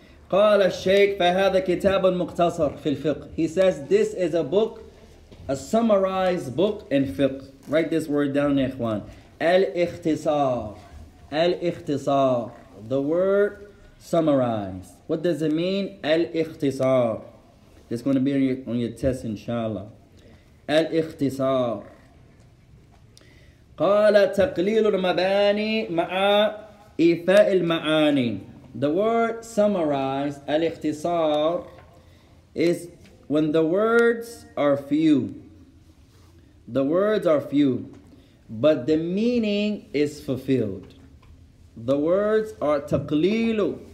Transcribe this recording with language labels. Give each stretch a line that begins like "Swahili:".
Arabic: قال الشيخ فهذا كتاب مقتصر في الفقه.
English: He says this is a book, a summarized book in fiqh. Write this word down,
Arabic: يا إخوان. الاختصار. الاختصار.
English: The word summarized. What does it mean?
Arabic: الاختصار.
English: It's going to be on your test, inshallah.
Arabic: الاختصار. قال تقليل المباني مع إفاء المعاني.
English: The word summarized, الاختصار, is when the words are few. The words are few, but the meaning is fulfilled. The words are تقليل.